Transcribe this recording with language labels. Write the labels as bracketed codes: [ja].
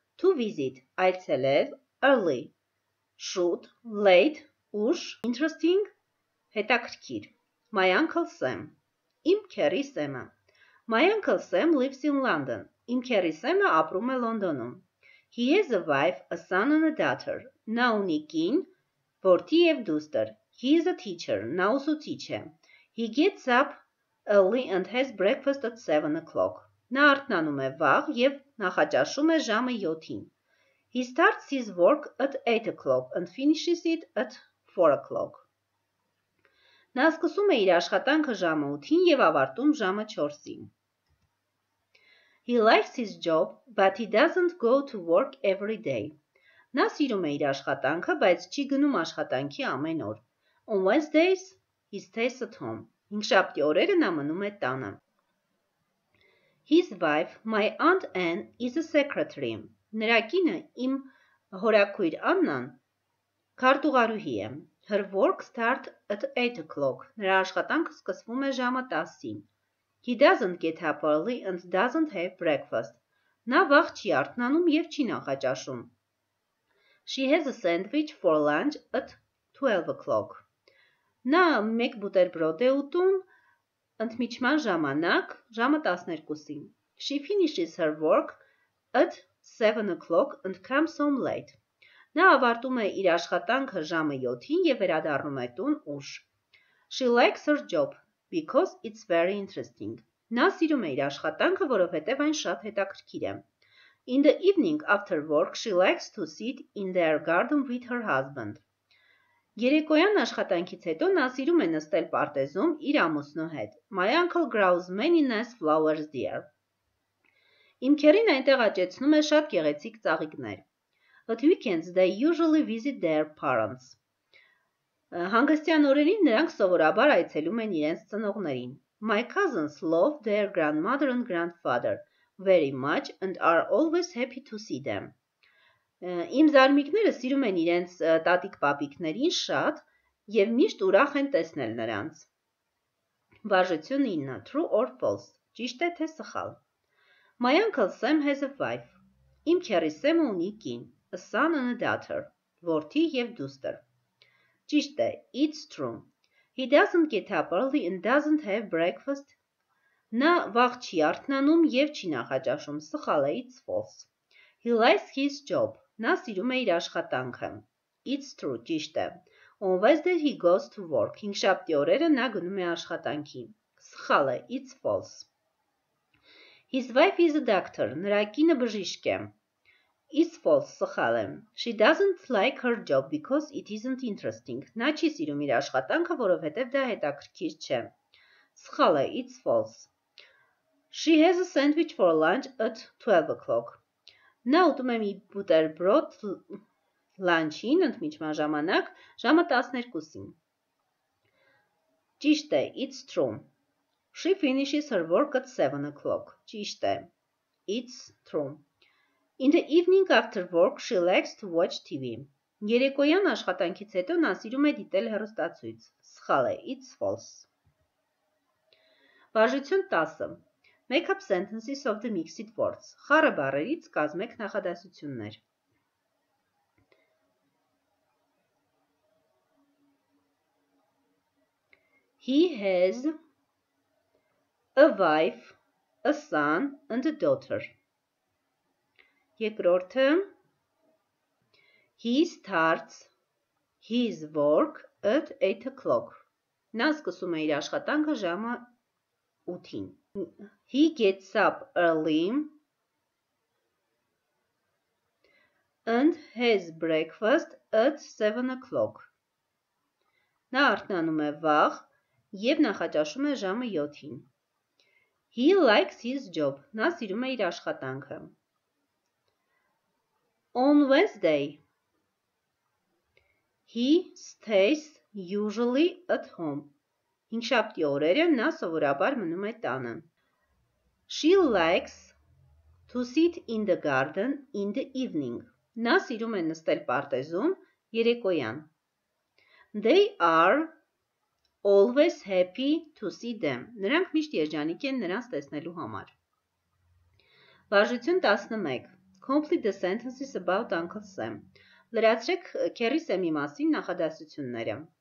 [en] To visit. [hy] Այցելել. [en] Early. [hy] Շուտ. [en] Late. [hy] Ուշ. [en] Interesting. [hy] Հետաքրքիր. [en] My uncle Sam. [hy] Իմ քերի Սեմը. [en] My uncle Sam lives in London. [hy] Իմ քերի Սեմը ապրում է Լոնդոնում. [en] He has a wife, a son and a daughter. [hy] Նա ունի կին, որդի և դուստր. [en] He is a teacher. [hy] Նա ուսուցիչ է. [en] He gets up early and has breakfast at 7 o'clock. [hy] Նա արթնանում է վաղ և նախաճաշում է ժամը 7-ին. [en] He starts his work at 8 o'clock and finishes it at 4 o'clock. [hy] Նա սկսում է իր աշխատանքը ժամը 8-ին և ավարտում ժամը 4-ին. [en] He likes his job, but he doesn't go to work every day. [hy] Նա սիրում է իր աշխատանքը, բայց չի գնում աշխատանքի ամեն օր. [en] On Wednesdays, he stays at home. [hy] Հինգշաբթի օրերը նա մնում է տանը. [en] His wife, my aunt Anne, is a secretary. [hy] Նրա կինը, իմ հորակույր Աննան, քարտուղարուհի է. [en] Her work starts at 8 o'clock. [hy] Նրա աշխատանքը սկսվում է ժամը 10-ին. [en] He doesn't get up early and doesn't have breakfast. [hy] Նա վաղ չի արթնանում և չի նախաճաշում. [en] She has a sandwich for lunch at 12 o'clock. [hy] Նա մեկ բուտերբրոդ է ուտում ընդմիջման ժամանակ, ժամը 12-ին. [en] She finishes her work at 7 o'clock and comes home late. [hy] Նա ավարտում է իր աշխատանքը ժամը 7-ին և վերադառնում է տուն ուշ. [en] She likes her job. Because it's very interesting. [hy] Նա սիրում է իր աշխատանքը, որովհետև այն շատ հետաքրքիր է. [en] In the evening after work, she likes to sit in their garden with her husband. [hy] Երեկոյան աշխատանքից հետո նա սիրում է նստել պարտեզում իր ամուսնու հետ. [en] My uncle grows many nice flowers there. [hy] Իմ քերին այնտեղ աճեցնում է շատ գեղեցիկ ծաղիկներ. [en] At weekends, they usually visit their parents. [hy] Հանգստյան օրերին նրանք սովորաբար այցելում են իրենց ծնողներին. [en] My cousins love their grandmother and grandfather very much and are always happy to see them. [hy] Իմ զարմիկները սիրում են իրենց տատիկ-պապիկներին շատ և միշտ ուրախ են տեսնել նրանց. Վարժություն 9. [en] True or false. [hy] Ճիշտ է թե սխալ. [en] My uncle Sam has a wife. [hy] Իմ քերի Սեմը ունի կին. [en] A son and a daughter. [hy] Որդի և դուստր. Ճիշտ է, [en] it's true. He doesn't get up early and doesn't have breakfast. [hy] Նա վաղ չի արթնանում և չի նախաճաշում, սխալ է, [en] it's false. He likes his job. [hy] Նա սիրում է իր աշխատանքը. [en] It's true, [hy] ճիշտ է. [en] On Wednesday he goes to work. [hy] Հինգշաբթի օրերը նա գնում է աշխատանքի. Սխալ է, [en] it's false. His wife is a doctor. [hy] Նրա կինը բժիշկ է. [en] It's false, [hy] սխալ եմ. [en] She doesn't like her job because it isn't interesting. [hy] Նա չի սիրում իր աշխատանքը, որովհետև դա հետաքրքիր չէ. Սխալ է, [en] it's false. She has a sandwich for lunch at 12 o'clock. [hy] Նա ուտում է մի բուտերբրոդ լանչին, ընդմիջման ժամանակ, ժամը 12-ին. Ճիշտ է, [en] it's true. She finishes her work at 7 o'clock. [hy] Ճիշտ է, [en] it's true. In the evening after work, she likes to watch TV. [hy] Երեկոյան աշխատանքից հետո նա սիրում է դիտել հեռուստացույց. Սխալ է, [en] it's false. [hy] Վարժություն 10. [en] Make up sentences of the mixed words. [hy] Խառը բառերից կազմեք նախադասություններ. [en] He has a wife, a son and a daughter. [hy] Երկրորդը, [en] he starts his work at 8 o'clock. [hy] Նա սկսում է իր աշխատանքը ժամը 8-ին. [en] He gets up early and has breakfast at 7 o'clock. [hy] Նա արթնանում է վաղ և նախաճաշում է ժամը 7-ին. [en] He likes his job. [hy] Նա սիրում է իր աշխատանքը. [en] On Wednesday, he stays [hy] usually at home. 5-7 օրերը նա սովորաբար մնում է տանը. [en] She likes to sit in the garden in the evening. Նա սիրում է նստել պարտեզում երեկոյան. They are always happy to see them. [hy] Նրանք միշտ երջանիկ են նրանց տեսնելու համար. Վարժություն 11. [en] Complete the sentences about Uncle Sam. [hy] Լրացրեք Քերի Սեմի մասին նախադասությունները.